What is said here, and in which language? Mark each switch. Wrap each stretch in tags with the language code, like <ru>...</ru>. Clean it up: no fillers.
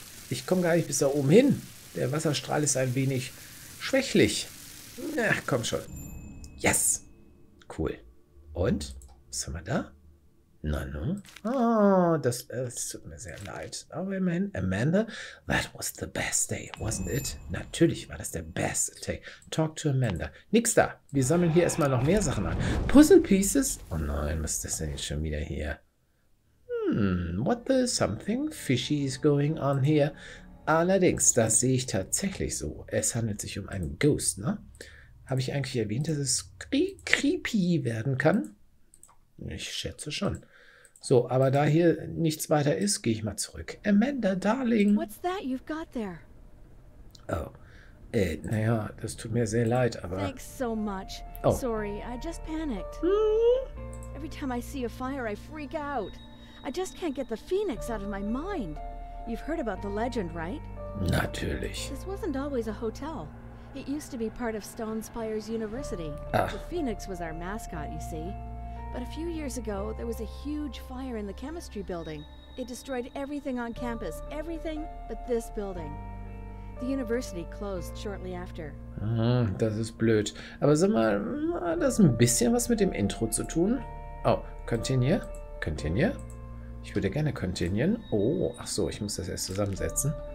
<de>Ich komme gar nicht bis da oben hin. Der Wasserstrahl ist ein wenig schwächlich. Na, komm schon. Yes! Cool. Und? Was haben wir da? Nein, nein. Oh, das tut mir sehr leid. Aber immerhin,</de> <en>Amanda, that was the best day, wasn't it?</en> <de>Natürlich war das der beste Tag.</de> <en>Talk to Amanda.</en> <de>Nix da. Wir sammeln hier erstmal noch mehr Sachen an. Puzzle pieces? Oh nein, was ist das denn jetzt schon wieder hier?</de> <en>What the something fishy is going on here?</en> <de>Allerdings, das sehe ich tatsächlich so. Es handelt sich um einen Ghost, ne? Habe ich eigentlich erwähnt, dass es creepy werden kann? Ich schätze schon. So, aber da hier nichts weiter ist, gehe ich mal zurück.</de> <en>Amanda, Darling! What's that you've got there?</en> <de>Oh. Naja, das tut mir sehr leid, aber...</de> <en>Thanks so much. Oh. Sorry, I just panicked. Every time I see a fire, I freak out. I just can't get the phoenix out of my mind. You've heard about the legend, right?</en> <de>Natürlich.</de> <en>This wasn't always a hotel. It used to be part of Stone Spires University.</en> <de>Ach.</de> <en>The phoenix was our mascot, you see. But a few years ago, there was a huge fire in the chemistry building. It destroyed everything on campus, everything but this building. The university closed shortly after.</en> <de>Das ist blöd. Aber sag mal, das ist ein bisschen was mit dem Intro zu tun.</de> <en>Oh, continue. Continue.</en> <de>Ich würde gerne continuen. Oh, ach so, ich muss das erst zusammensetzen.</de>